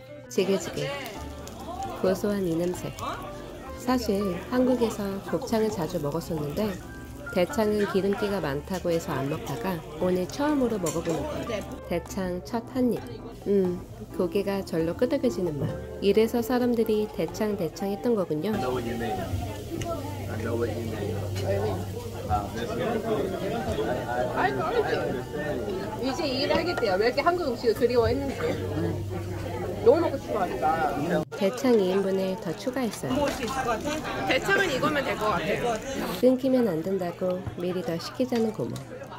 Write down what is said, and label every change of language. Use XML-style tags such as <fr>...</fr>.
<ko>지글지글 고소한 이 냄새. 사실 한국에서 곱창을 자주 먹었었는데 대창은 기름기가 많다고 해서 안 먹다가 오늘 처음으로 먹어보는 거예요. 대창 첫 한 입. 고개가 절로 끄덕여지는 맛. 이래서 사람들이 대창 대창 했던 거군요.</ko> <en>I know what you mean. I know what you mean.</en> <ko>I 이제 이해를 하겠대요. 왜 이렇게 한국 음식을 그리워했는지. 너무 먹고 싶어하니까. 대창 2인분을 더 추가했어요. 먹을 수 있을 것 같아? 대창은 이거면 될 것 같아. 끊기면 안 된다고 미리 더 시키자는 고마워.</ko>